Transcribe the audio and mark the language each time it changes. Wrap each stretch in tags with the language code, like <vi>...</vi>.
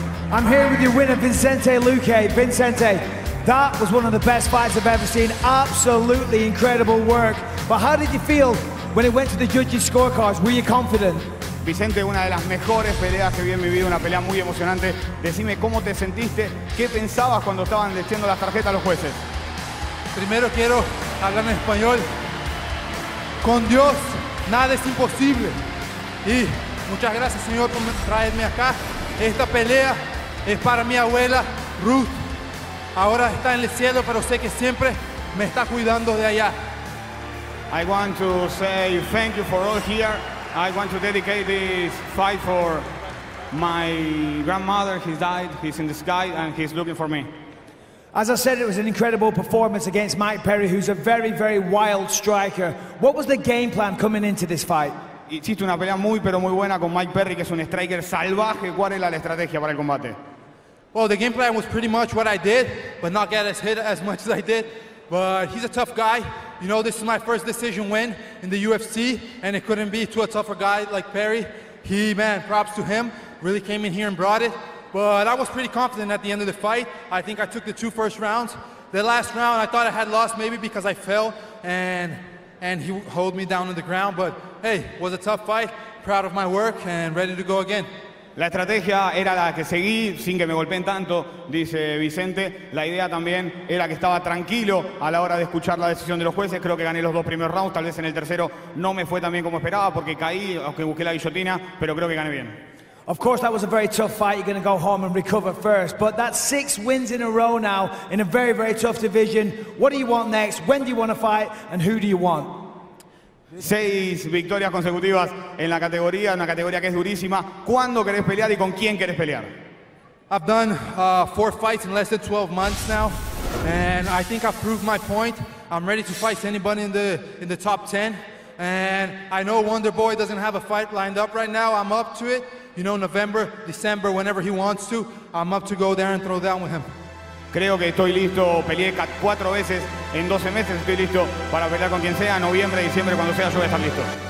<en>I'm here with your winner, Vicente Luque. Vicente, that was one of the best fights I've ever seen. Absolutely incredible work. But how did you feel when it went to the judges' scorecards? Were you confident?</en> <es>Vicente, una de las mejores peleas que vi en mi vida, una pelea muy emocionante. Decime cómo te sentiste, qué pensabas cuando estaban leyendo las tarjetas a los jueces. Primero quiero hablar en español. Con Dios nada es imposible. Y muchas gracias, señor, por traerme acá. Esta pelea es para mi abuela Ruth. Ahora está en el cielo, pero sé que siempre me está cuidando de allá.</es> <en>I want to say thank you for all here. I want to dedicate this fight for my grandmother. He's died, he's in the sky, and he's looking for me. As I said, it was an incredible performance against Mike Perry, who's a very, very wild striker. What was the game plan coming into this fight?</en> <es>Hiciste una pelea muy, pero muy buena con Mike Perry, que es un striker salvaje. ¿Cuál era la estrategia para el combate?</es> <en>Well, the game plan was pretty much what I did, but not get as hit as much as I did. But he's a tough guy. You know, this is my first decision win in the UFC, and it couldn't be to a tougher guy like Perry. He, man, props to him, really came in here and brought it. But I was pretty confident at the end of the fight. I think I took the two first rounds. The last round, I thought I had lost maybe because I fell and he held me down on the ground. But hey, it was a tough fight. Proud of my work and ready to go again.</en> <es>La estrategia era la que seguí sin que me golpeen tanto, dice Vicente. La idea también era que estaba tranquilo a la hora de escuchar la decisión de los jueces. Creo que gané los dos primeros rounds. Tal vez en el tercero no me fue tan bien como esperaba porque caí, aunque busqué la guillotina, pero creo que gané bien.</es> <en>Of course, that was a very tough fight. You're going to go home and recover first. But that's 6 wins in a row now in a very, very tough division. What do you want next? When do you want to fight? And who do you want?</en> <es>6 victorias consecutivas en la categoría, una categoría que es durísima. ¿Cuándo querés pelear y con quién querés pelear?</es> <en>I've done 4 fights in less than 12 months now. And I think I've proved my point. I'm ready to fight anybody in the top 10. And I know Wonder Boy doesn't have a fight lined up right now. I'm up to it. You know, November, December, whenever he wants to, I'm up to go there and throw down with him.</en> <es>Creo que estoy listo, peleé 4 veces en 12 meses, estoy listo para pelear con quien sea, noviembre, diciembre, cuando sea, yo voy a estar listo.</es>